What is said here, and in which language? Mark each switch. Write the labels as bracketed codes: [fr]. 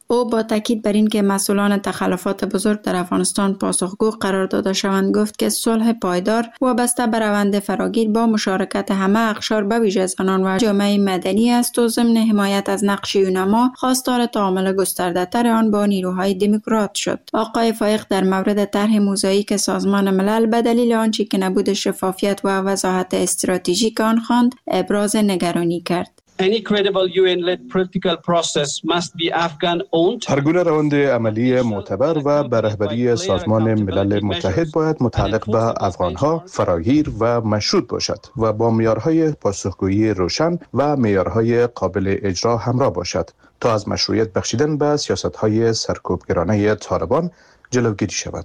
[fa] او با تاکید بر این که مسئولان تخلفات بزرگ در افغانستان پاسخگو قرار داده شوند، گفت که صلح پایدار وابسته به روند فراگیر با مشارکت همه اقشار به ویژه زنان و جامعه مدنی است و ضمن حمایت از نقش یونما خواستار تعامل گسترده‌تر آن با نیروهای دموکرات شد. آقای فایق در مورد طرح موزاییک سازمان ملل به دلیل آنچه که نبود شفافیت و وضاحت استراتژیک آن خواند ابراز نگرانی کرد. [en] Any credible UN-led political process must be Afghan-owned. [fa] هر گونه روند عملی معتبر و به رهبری سازمان ملل متحد باید متعلق به افغان‌ها فراگیر و مشروط باشد و با معیارهای پاسخگویی روشن و معیارهای قابل اجرا همراه باشد تا از مشروعیت بخشیدن به سیاست‌های سرکوبگرانه طالبان جلوگیری شود.